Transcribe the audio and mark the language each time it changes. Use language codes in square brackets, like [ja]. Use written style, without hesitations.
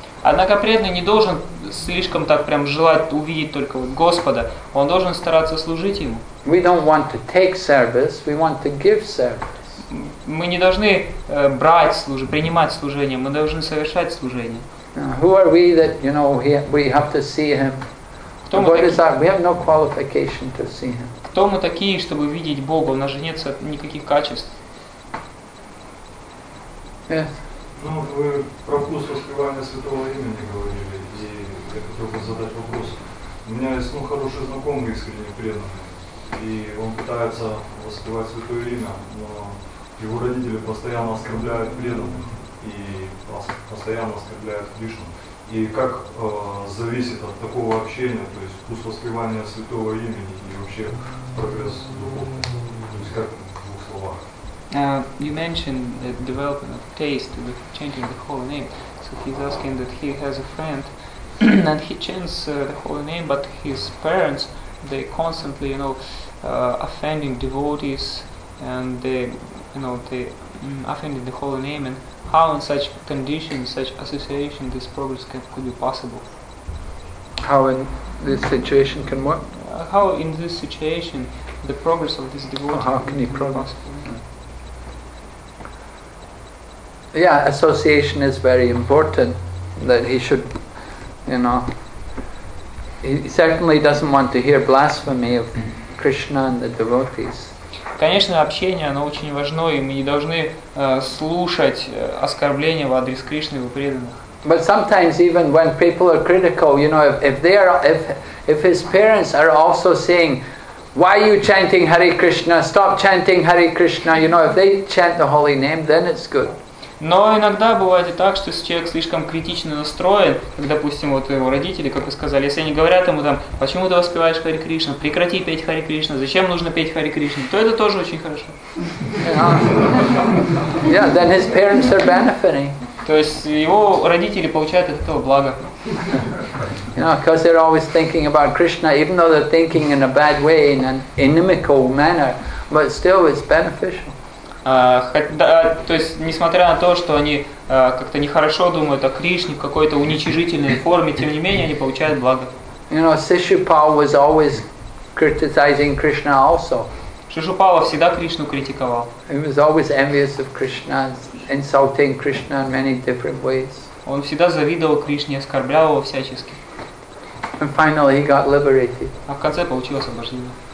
[ru] Однако преданный не должен слишком так прям желать увидеть только вот Господа. Он должен стараться служить Ему. [en] We don't want to take service, we want to give service. [ru] Мы не должны брать служение, принимать служение, мы должны совершать служение. [en] Who are we that, you know, we have to see Him? What is that? We have no qualification to see Him. [ru] Кто мы такие, чтобы видеть Бога? У нас же нет никаких качеств. Ну, вы про вкус воспевания святого имени говорили, и я хотел бы задать вопрос. У меня есть хороший знакомый, искренне преданный, и он пытается воспевать святое имя, но его родители постоянно оскорбляют преданных и постоянно оскорбляют Кришну. И как зависит от такого общения, то есть вкус воспевания святого имени и вообще прогресс духовный? То есть как в двух словах? [en] You mentioned the development of taste with changing the holy name. So he's asking that he has a friend and he chants the holy name, but his parents, they constantly, you know, offending devotees and they, you know, they offending the holy name. And how in such conditions, such association, this progress could be possible? How in this situation can what? How in this situation the progress of this devotee can be progress? Possible? Yeah, association is very important, that he should, you know, he certainly doesn't want to hear blasphemy of Krishna and the devotees. [ru] Конечно, общение, оно очень важно, и мы не должны слушать оскорбления в адрес Кришны и преданных. [en] But sometimes even when people are critical, you know, if his parents are also saying, why are you chanting Hare Krishna, stop chanting Hare Krishna, you know, if they chant the holy name, then it's good. [ru] Но иногда бывает и так, что если человек слишком критично настроен, как, допустим, вот его родители, как вы сказали, если они говорят ему там, почему ты воспеваешь Харе Кришна, прекрати петь Харе Кришна, зачем нужно петь Харе Кришна, то это тоже очень хорошо. [en] Yeah, then his parents are benefiting. [ru] То есть его родители получают от этого благо. [en] You know, because they're always thinking about Krishna, even though they're thinking in a bad way, in an inimical manner, but still it's beneficial. [ru] То есть, несмотря на то, что они как-то нехорошо думают о Кришне в какой-то уничижительной форме, тем не менее, они получают благо. [en] You know, Сишупала was always criticizing Krishna also. [ru] Шишупала всегда Кришну критиковал. [en] He was always envious of Krishna, insulting Krishna in many different ways. [ru] Он всегда завидовал Кришне, оскорблял его всячески. [en] And finally he got liberated. [ru] А в конце получил освобождение.